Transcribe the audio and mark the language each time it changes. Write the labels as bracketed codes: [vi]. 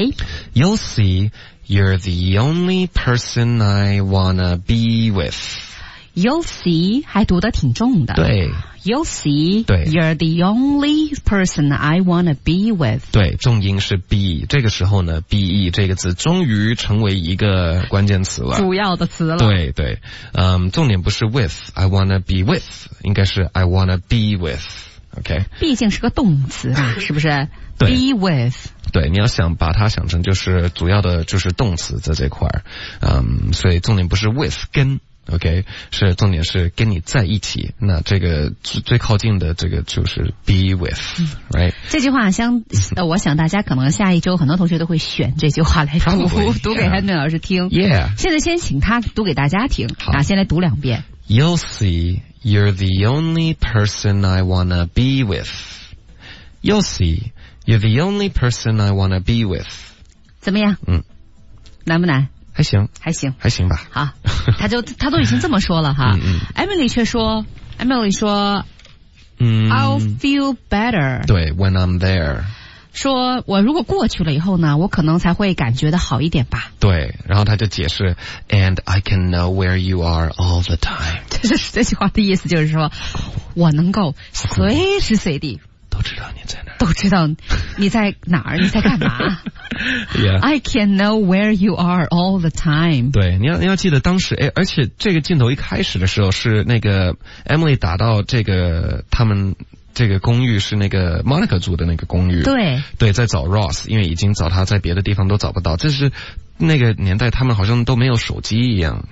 [en] 嗯、You'll seeYou're the only person I wanna be with. You'll see, [zh] 还读得挺重的。对。 [en] You'll see, [zh] 对 [en] you're the only person I wanna be with. [zh] 对，重音是 be, 这个时候呢 ,be 这个字终于成为一个关键词了。主要的词了。对对。重点不是 [en] with, I wanna be with, [zh] 应该是 [en] I wanna be with, okay? [zh] 毕竟是个动词啊是不是对 [en] ?be with。 [zh] 对你要想把它想成就是主要的就是动词在这块儿所以重点不是 with 跟 OK 是重点是跟你在一起那这个最靠近的这个就是 be with、嗯、right 这句话像我想大家可能下一周很多同学都会选这句话来读 [en] Probably, [zh] 读给 Henry、 [en] yeah. [zh] 老师听 [en] yeah [zh] 现在先请他读给大家听好、啊、先来读两遍 [en] You'll see you're the only person I wanna be with You'll seeYou're the only person I wanna be with. [zh] 怎么样？嗯，难不难？还行，还行，还行吧。好，他都已经这么说了哈。嗯嗯、 Emily 却说 ，Emily 说，嗯 [en] ，I'll feel better. 对 ，when I'm there. [zh] 说我如果过去了以后呢，我可能才会感觉得好一点吧。对，然后他就解释 [en] ，and I can know where you are all the time. [zh] 这句话的意思就是说，我能够随时随地。都知道你在哪儿，都知道你在哪儿，你在干嘛 [en] ？Yeah. I can know where you are all the time. [zh] 对，你要记得当时，哎，而且这个镜头一开始的时候是那个 Emily 打到这个他们。这个公寓是那个 Monica 住的那个公寓。对。对在找 Ross, 因为已经找他在别的地方都找不到。这是那个年代他们好像都没有手机一样。